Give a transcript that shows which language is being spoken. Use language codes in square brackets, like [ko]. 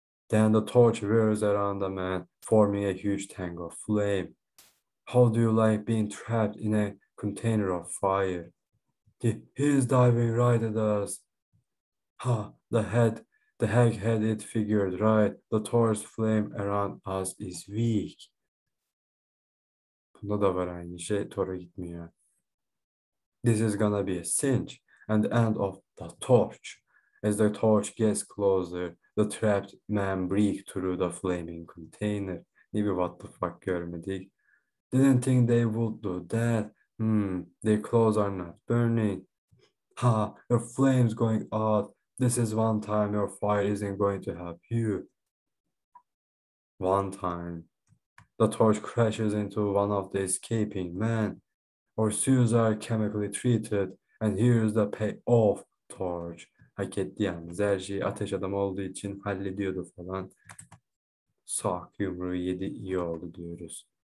[en] Then the torch whirls around the man, forming a huge tangle of flame. How do you like being trapped in a container of fire? He's diving right at us. Ha, the hag had it figured right. The torch flame around us is weak. [tr] Bunda da var aynı şey, Tora gitmiyor. [en] This is gonna be a cinch and the end of the torch. As the torch gets closer, the trapped man breaks through the flaming container. [tr] Ne bir [en] what the fuck [tr] görmedik. [en] Didn't think they would do that. Their clothes are not burning. Ha, your flame's going out. This is one time your fire isn't going to help you. One time. The torch crashes into one of the escaping men. Our suits are chemically treated and here's the pay off, Torch. [tr] Hak etti yalnız her şeyi ateş adam olduğu için hallediyordu falan. Sok yumruğu yedi iyi oldu diyoruz.